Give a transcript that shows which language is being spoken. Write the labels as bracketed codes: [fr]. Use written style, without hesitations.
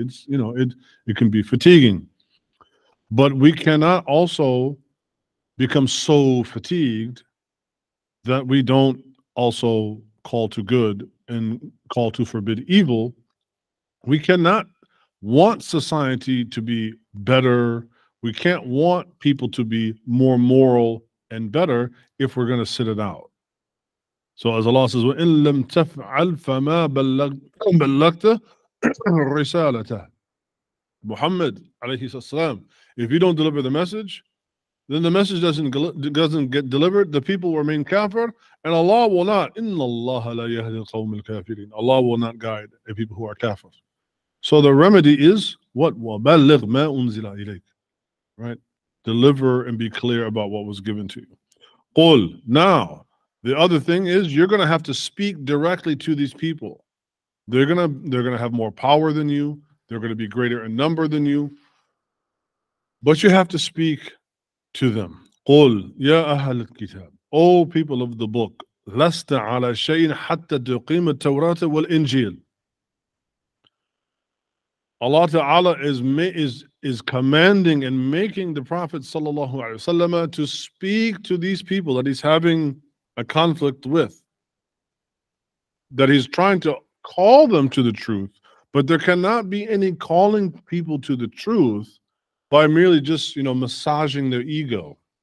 [en] It's, you know, it can be fatiguing. But we cannot also become so fatigued that we don't also call to good and call to forbid evil. We cannot want society to be better. We can't want people to be more moral and better if we're going to sit it out. So as Allah says, [ar] وَإِن لَمْ تَفْعَلْ فَمَا بَلَّغْتَ رِسَالَتَ. [en] Muhammad alayhi salam, if you don't deliver the message, then the message doesn't get delivered. The people remain kafir, and Allah will not. [ar] إِنَّ اللَّهَ لَا يَهْدِي الْقَوْمِ الْكَافِرِينَ. [en] Allah will not guide a people who are kafir. So the remedy is what? [ar] وَبَلِّغْ مَا أُنزِلَ إِلَيْكَ. [en] Right? Deliver and be clear about what was given to you. [ar] قُلْ. [en] Now, the other thing is you're going to have to speak directly to these people. They're going to have more power than you. They're going to be greater in number than you. But you have to speak to them. [ar] قُلْ يَا أَهَلِ الْكِتَابِ. [en] O people of the book, [ar] لَسْتَ عَلَى شَيْءٍ حَتَّى تُقِيمَ التَّوْرَاةَ وَالْإِنْجِيلِ. [en] Allah Ta'ala is commanding and making the Prophet sallallahu alaihi wasallam to speak to these people that he's having a conflict with, that he's trying to call them to the truth, but there cannot be any calling people to the truth by merely just, you know, massaging their ego.